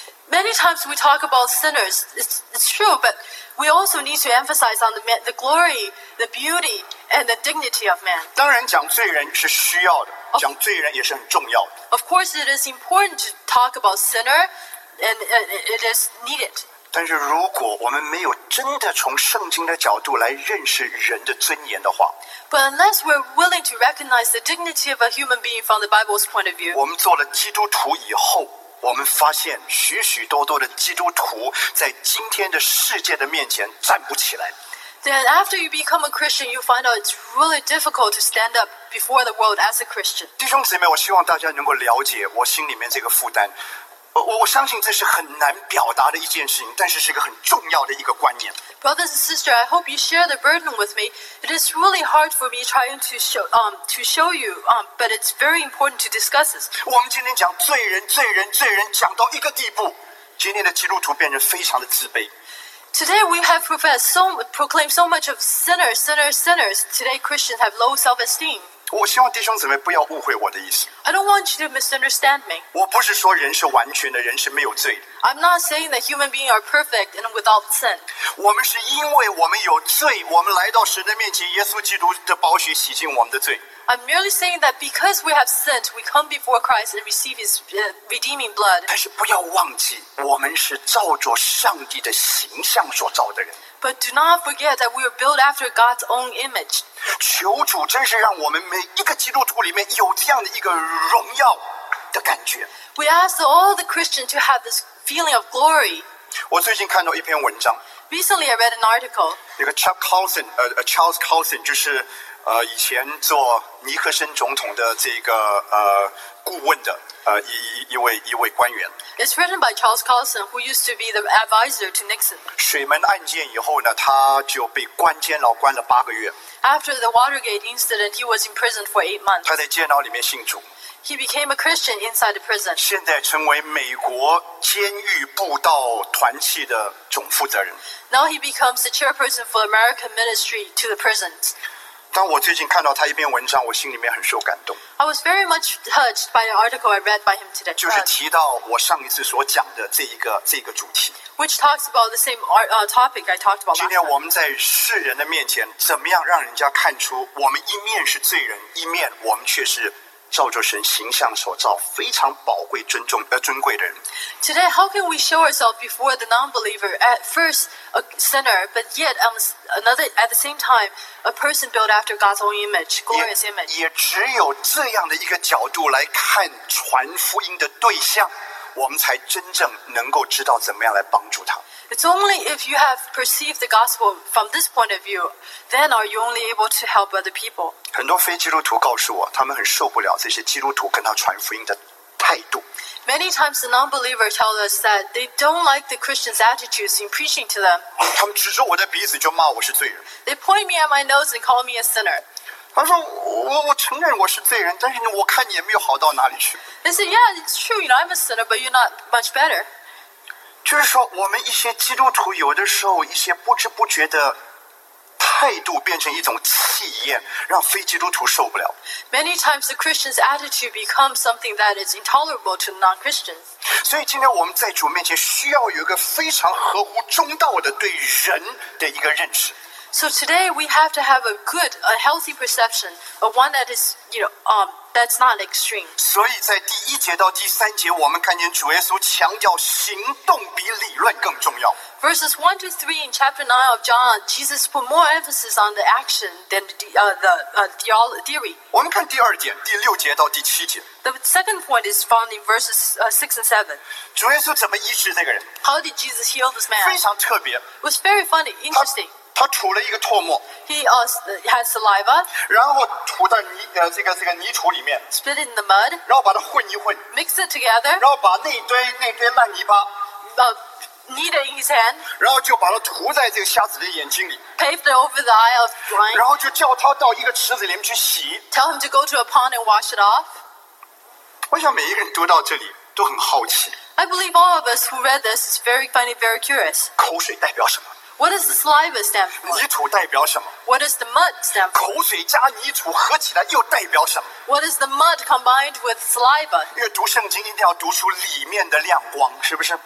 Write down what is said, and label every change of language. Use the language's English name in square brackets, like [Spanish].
[English] Many times we talk about sinners. It's true, but we also need to emphasize on the glory, the beauty, and the dignity of man. [Chinese] 当然，讲罪人是需要的，讲罪人也是很重要的。 [English] Of course, it is important to talk about sinner, and it is needed. [Chinese] 但是，如果我们没有真的从圣经的角度来认识人的尊严的话 [English] ，But unless we're willing to recognize the dignity of a human being from the Bible's point of view, [Chinese] 我们做了基督徒以后。我们发现许许多多的基督徒在今天的世界的面前站不起来。 [English] Then after you become a Christian, you find out it's really difficult to stand up before the world as a Christian. [Chinese] 弟兄姊妹，我希望大家能够了解我心里面这个负担。我相信这是很难表达的一件事情，但是是一个很重要的一个观念。 [English] Brothers and sisters, I hope you share the burden with me. It is really hard for me trying to show you, but it's very important to discuss this. [Chinese] 我们今天讲罪人，罪人，罪人，讲到一个地步，今天的基督徒变成非常的自卑。 [English] Today we have proclaimed so much of sinners, sinners, sinners. Today Christians have low self-esteem. [Chinese] 我希望弟兄姊妹不要误会我的意思。 [English] I don't want you to misunderstand me. [Chinese] 我不是说人是完全的，人是没有罪的。 [English] I'm not saying that human beings are perfect and without sin. [Chinese] 我们是因为我们有罪，我们来到神的面前，耶稣基督的宝血洗净我们的罪。 [English] I'm merely saying that because we have sinned, we come before Christ and receive His redeeming blood. [Chinese] 但是不要忘记，我们是照着上帝的形象所造的人。 [English] But do not forget that we are built after God's own image. [Chinese] 求主真是让我们每一个基督徒里面有这样的一个荣耀的感觉。 [English] We ask all the Christians to have this feeling of glory. [Chinese] 我最近看到一篇文章。 [English] Recently, I read an article. [Chinese] 那个 Charles Colson 就是以前做尼克森总统的这个顾问的。一位官员。 [English] It's written by Charles Carlson, who used to be the advisor to Nixon. [Chinese] 水门案件以后呢，他就被关监牢关了八个月。 [English] After the Watergate incident, he was imprisoned for 8 months. [Chinese] 他在监牢里面信主。 [English] He became a Christian inside the prison. [Chinese] 现在成为美国监狱布道团契的总负责人。 [English] Now he becomes the chairperson for American Ministry to the Prisons. [Chinese] 当我最近看到他一篇文章，我心里面很受感动。 [English] I was very much touched by the article I read by him today. [Chinese] 就是提到我上一次所讲的这一个主题。 [English] Which talks about the same topic I talked about. [Chinese] 今天我们在世人的面前，怎么样让人家看出我们一面是罪人，一面我们却是。造就神形象所造非常宝贵尊重尊贵的人。 [English] Today, how can we show ourselves before the non-believer? At first, a sinner, but yet another at the same time, a person built after God's own image, glorious image. [Chinese] 也只有这样的一个角度来看传福音的对象，我们才真正能够知道怎么样来帮助他。 [English] It's only if you have perceived the gospel from this point of view, then are you only able to help other people. [Chinese] 很多非基督徒告诉我，他们很受不了这些基督徒跟他传福音的态度。 [English] Many times the non-believers tell us that they don't like the Christians' attitudes in preaching to them. [Chinese] 他们指着我的鼻子就骂我是罪人。 [English] They point me at my nose and call me a sinner. [Chinese] 他说我承认我是罪人，但是我看你也没有好到哪里去。 [English] They say, yeah, it's true, you know, I'm a sinner, but you're not much better. [Chinese] 就是说我们一些基督徒有的时候一些不知不觉的态度变成一种气焰，让非基督徒受不了。 [English] Many times the Christian's attitude becomes something that is intolerable to non-Christians. [Chinese] 所以今天我们在主面前需要有一个非常合乎中道的对人的一个认识。 [English] So today we have to have a good, a healthy perception, a one that is, you know, that's not extreme. [Chinese] 所以在第一节到第三节，我们看见主耶稣强调行动比理论更重要。 [English] Verses 1 to 3 in chapter 9 of John, Jesus put more emphasis on the action than the theory. [Chinese] 我们看第二点，第六节到第七节。 [English] The second point is found in verses 6 and 7. [Chinese] 主耶稣怎么医治这个人？ [English] How did Jesus heal this man? [Chinese] 非常特别。 [English] It was very funny, interesting. [Chinese] 他吐了一个唾沫 [English] He has saliva. [Chinese] 然后吐到泥这个泥土里面 [English] Spit in the mud. [Chinese] 然后把它混一混 [English] Mix it together. [Chinese] 然后把那堆烂泥巴 [English] Knead it in his hand. [Chinese] 然后就把它涂在这个瞎子的眼睛里 [English] Paved it over the eye of the blind. [Chinese] 然后就叫他到一个池子里面去洗 [English] Tell him to go to a pond and wash it off. [Chinese] 我想每一个人读到这里都很好奇 [English] I believe all of us who read this is very curious. [Chinese] 口水代表什么？ [English] What does the saliva stand for? [Chinese] 泥土代表什么？ [English] What does the mud stand for? [Chinese] 口水加泥土合起来又代表什么？ [English] What is the mud combined with saliva? [Chinese] 因为读圣经一定要读出里面的亮光，是不是？